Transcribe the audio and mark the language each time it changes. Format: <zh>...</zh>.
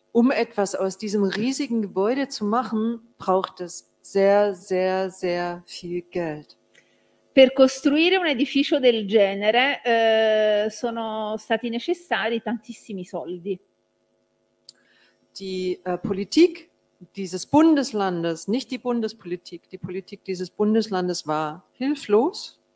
<de>Etwas aus diesem riesigen Gebäude zu machen, braucht es sehr, sehr, sehr viel Geld.</de> <it>Per costruire un edificio del genere sono stati necessari tantissimi soldi.</it> <de>Die Politik dieses Bundeslandes, nicht die Bundespolitik, die Politik dieses Bundeslandes war hilflos.</de>